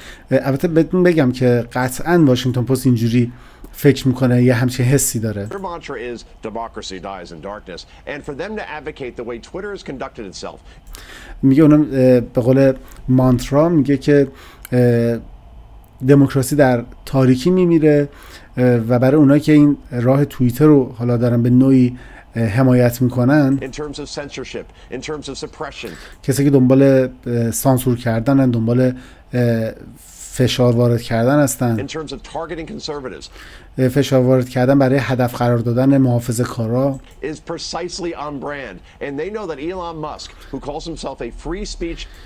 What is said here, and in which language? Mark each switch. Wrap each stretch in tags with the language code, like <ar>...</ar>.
<fa>البته بهتون بگم که قطعا واشنگتن پست اینجوری فکر میکنه، یه همچین حسی داره.</fa> <en>Their mantra is democracy dies in darkness. And for them to advocate the way Twitter has conducted itself.</en> <fa>میگه اونم به قول مانترا میگه که دموکراسی در تاریکی میمیره، و برای اونایی که این راه توییتر رو حالا دارن به نوعی حمایت میکنن،</fa> <en>in terms of censorship, in terms of suppression.</en> <fa>کسی که دنبال سانسور کردنن، دنبال فشار وارد کردن هستن،</fa> <en>in terms of targeting conservatives.</en> <fa>فشار وارد کردن برای هدف قرار دادن محافظه‌کارا،</fa> <en>is precisely on brand. And they know that Elon Musk, who calls himself a free speech.</en>